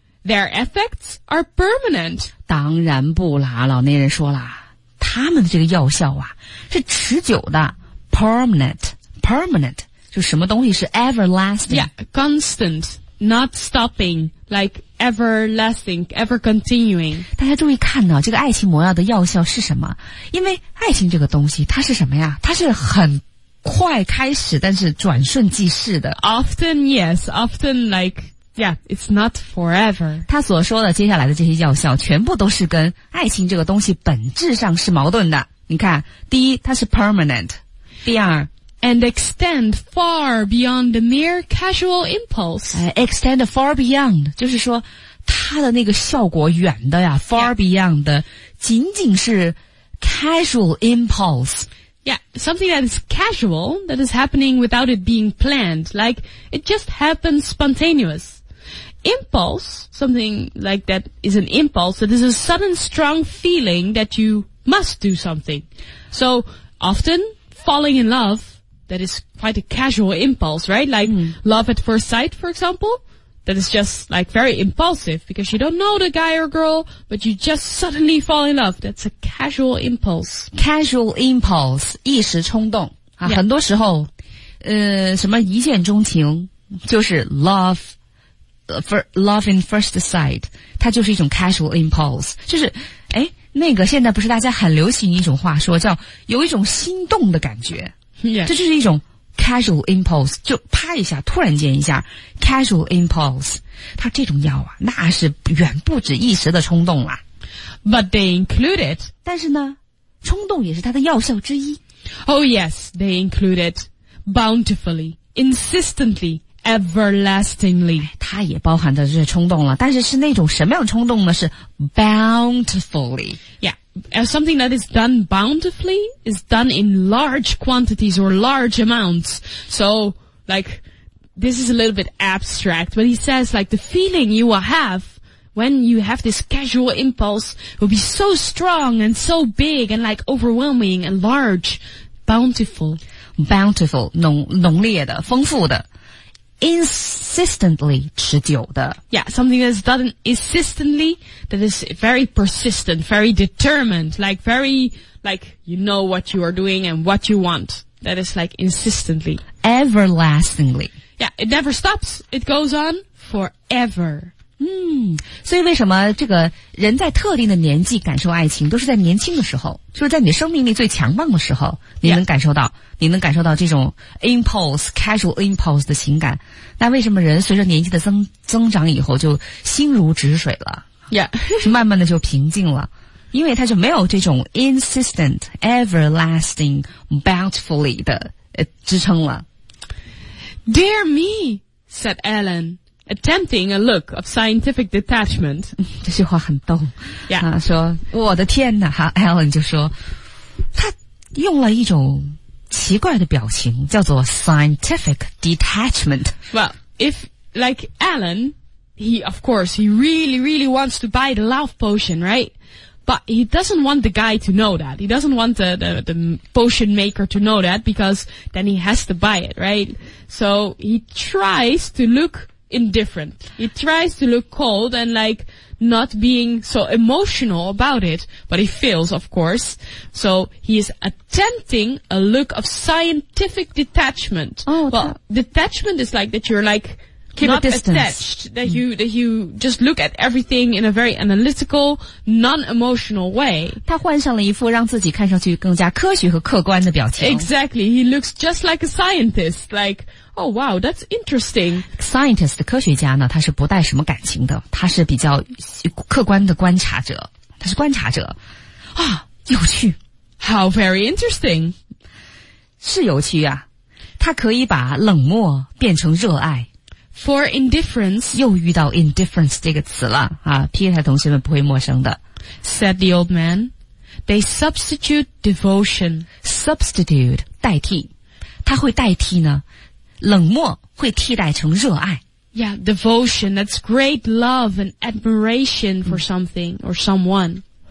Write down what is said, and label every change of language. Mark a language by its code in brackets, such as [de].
[en] Their effects are permanent. [zh] 当然不啦，老年人说了，他们的这个药效啊，是持久的 ,permanent, permanent, 就什么东西是 everlasting? [en] Yeah, constant, not stopping, like everlasting, ever continuing. [zh] 大家注意看到这个爱情魔药的药效是什么，因为爱情这个东西它是什么呀，它是很快开始但是转瞬即逝的。 [en] Often, yes, often like,Yeah, it's not forever. [zh] 他所说的接下来的这些药效全部都是跟爱情这个东西本质上是矛盾的。你看，第一，它是 permanent. 第二 [en] And extend far beyond the mere casual impulse. Extend far beyond, [zh] 就是说它的那个效果远的呀 , [en] far beyond [zh] 的仅仅是 [en] casual impulse. Yeah, something that is casual, that is happening without it being planned, like it just happens spontaneous. Impulse, something like that is an impulse, that is a sudden strong feeling that you must do something. So often falling in love, that is quite a casual impulse, right? Like love at first sight, for example, that is just like very impulsive because you don't know the guy or girl, but you just suddenly fall in love. That's a casual impulse. Casual impulse, [zh] 一时冲动、啊 yeah. 很多时候什么一见钟情就是 [en] love in first sight, [zh] 它就是一种 [en] casual impulse. [zh] 就是诶那个现在不是大家很流行一种话说叫有一种心动的感觉、 [en] yeah. [zh] 这就是一种 [en] casual impulse, [zh] 就啪一下突然间一下 casual impulse, 它这种药啊那是远不止一时的冲动了。 [en] But they include it. [zh] 但是呢冲动也是它的药效之一。 [en] Oh yes, they include it. Bountifully, insistently, everlastingly. [zh] 它也包含着这些冲动了但是是那种什么样的冲动呢是 bountifully. [en] Yeah. As something that is done bountifully is done in large quantities or large amounts. So, like, this is a little bit abstract, but he says, like, the feeling you will have when you have this casual impulse will be so strong and so big and, like, overwhelming and large, bountiful. [zh] Bountiful, 浓烈的,丰富的。Insistently 持久的 [en] Yeah, something that is done insistently That is very persistent Very determined Like very Like you know what you are doing And what you want That is like insistently Everlastingly Yeah, it never stops It goes on forever [zh] 所以为什么这个人在特定的年纪感受爱情都是在年轻的时候就是在你生命力最强旺的时候你能感受到、 [en] yeah. [zh] 你能感受到这种 [en] impulse, casual impulse [zh] 的情感那为什么人随着年纪的增长以后就心如止水了 [en] yeah. [zh] 就慢慢的就平静了因为他就没有这种 [en] insistent, everlasting, bountifully [zh] 的支撑了 [en] Dear me, said Alan. Attempting a look of scientific detachment. [zh] 这句话很逗。 [en] Yeah. [zh] 啊、说我的天哪 ,Alan 就说他用了一种奇怪的表情叫做 [en] scientific detachment. Well, if, like Alan, he, of course, he really, really wants to buy the love potion, right? But he doesn't want the guy to know that. He doesn't want the potion maker to know that because then he has to buy it, right? So he tries to lookindifferent. He tries to look cold and like not being so emotional about it, but he fails, of course. So he is attempting a look of scientific detachment. Oh, well, detachment is like that you're like keep not attached, that you just look at everything in a very analytical, non-emotional way. [zh] 他换上了一副让自己看上去更加科学和客观的表情。 [en] Exactly. He looks just like a scientist, like,Oh wow, that's interesting. [zh] Scientist, 科学家呢，他是不带什么感情的，他是比较客观的观察者，他是观察者。啊，有趣。 [en] How very interesting. [zh] 是有趣啊，他可以把冷漠变成热爱。 [en] For indifference. [zh] 又遇到 indifference 这个词了，啊，Peter同学们不会陌生的。 [en] Said the old man, they substitute devotion. [zh] Substitute, 代替。他会代替呢冷漠会替代成热爱。 [en] Yeah, devotion. That's great love and admiration for something or someone.